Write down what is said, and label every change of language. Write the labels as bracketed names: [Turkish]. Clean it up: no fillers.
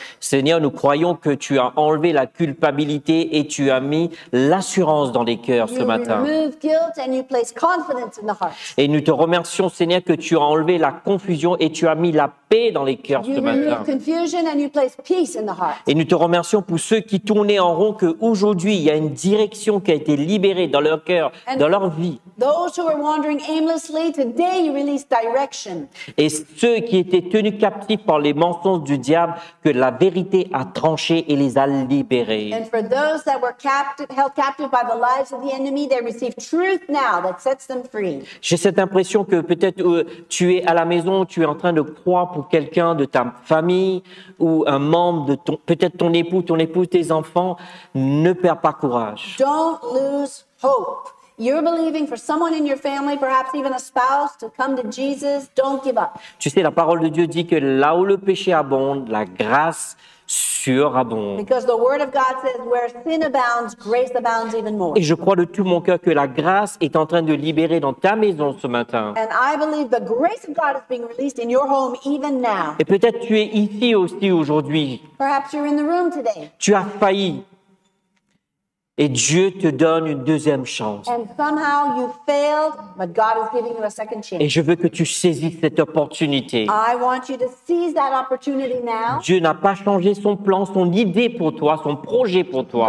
[French] Seigneur, nous croyons que tu as enlevé la culpabilité et tu as mis l'assurance dans les cœurs [English] you [French] ce matin. [English] Remove guilt and you place confidence in the heart. [French] Et nous te remercions, Seigneur, que tu as enlevé la confusion et tu as mis la paix dans les cœurs [English] you [French] ce matin. [English] Confusion and you place peace in the heart. [French] Et nous te remercions pour ceux qui tournaient en rond, qu'aujourd'hui il y a une direction qui a été libérée dans leur cœur, dans leur vie. [English] Those who were wandering aimlessly, today you release direction. [French] Et ceux qui étaient tenus captifs par les mensonges du diable, que la vérité a tranché et les a libérés. [English] And for those that were held captive by the lies of the enemy, they receive truth now that sets them free. [French] J'ai cette impression que peut-être tu es à la maison, tu es en train de croire pour quelqu'un de ta famille ou un membre de peut-être ton épouse, tes enfants, ne perds pas courage. [English] Don't lose hope. You're believing for someone in your family, perhaps even a spouse, to come to Jesus. Don't give up. [French] Tu sais, la parole de Dieu dit que là où le péché abonde, la grâce surabonde. [English] Because the word of God says where sin abounds, grace abounds even more. [French] Et je crois de tout mon cœur que la grâce est en train de libérer dans ta maison ce matin. [English] And I believe the grace of God is being released in your home even now. [French] Et peut-être tu es ici aussi aujourd'hui. [English] Perhaps you're in the room today. [French] Tu as failli. Et Dieu te donne une deuxième chance. [English] And somehow you failed, but God is giving you a second chance. [French] Et je veux que tu saisisses cette opportunité. [English] I want you to seize that opportunity now. [French] Dieu n'a pas changé son plan, son idée pour toi, son projet pour toi.